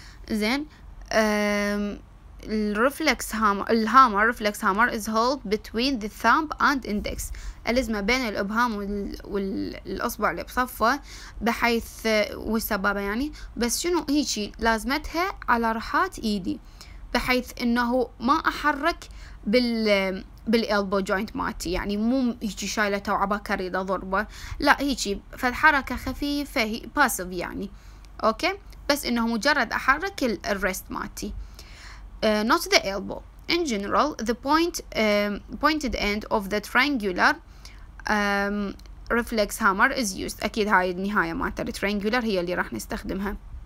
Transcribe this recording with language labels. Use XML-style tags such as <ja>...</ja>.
<ar>زين الرفلكس هامر، الهامر رفلكس هامر</ar> <en>is held between the thumb and index،</en> <ar>الازمة بين الابهام والاصبع اللي بصفه، بحيث والسبابة يعني، بس شنو هيجي لازمتها على رحات ايدي، بحيث انه ما احرك بالالبو جوينت ماتي، يعني مو هيجي شايلته وعباك اريد اضربه، لا هيجي فالحركة خفيفة باسيف يعني، اوكي؟ بس انه مجرد احرك الريست ماتي.</ar> <en>Not the elbow. In general, the point pointed end of the triangular reflex hammer is used.</en> <ar>أكيد هاي النهاية ما ترى triangular هي اللي راح نستخدمها.</ar>